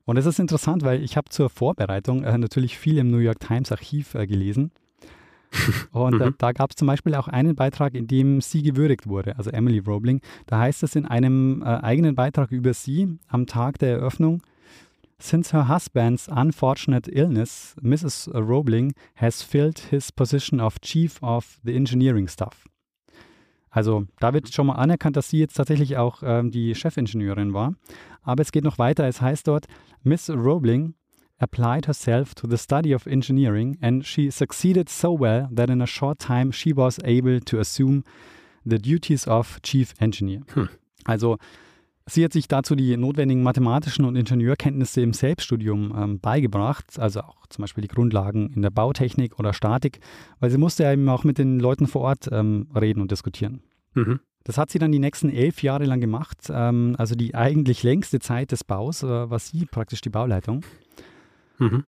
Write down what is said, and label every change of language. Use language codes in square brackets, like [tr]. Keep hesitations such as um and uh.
[de] Und es ist interessant, weil ich habe zur Vorbereitung äh, natürlich viel im New York Times Archiv äh, gelesen. Und äh, da, gab es zum Beispiel auch einen Beitrag, in dem sie gewürdigt wurde, also Emily Roebling. Da heißt es in einem äh, eigenen Beitrag über sie am Tag der Eröffnung, [en] Since her husband's unfortunate illness, Mrs. Roebling has filled his position of chief of the engineering staff. [de] Also da wird schon mal anerkannt, dass sie jetzt tatsächlich auch äh, die Chefingenieurin war. Aber es geht noch weiter. Es heißt dort, [en] Miss Roebling applied herself to the study of engineering and she succeeded so well that in a short time she was able to assume the duties of chief engineer. Hm. [de] Also sie hat sich dazu die notwendigen mathematischen und Ingenieurkenntnisse im Selbststudium ähm, beigebracht, also auch zum Beispiel die Grundlagen in der Bautechnik oder Statik, weil sie musste ja eben auch mit den Leuten vor Ort ähm, reden und diskutieren. Mhm. Das hat sie dann die nächsten elf Jahre lang gemacht, ähm, also die eigentlich längste Zeit des Baus äh, was sie praktisch die Bauleitung. Mhm.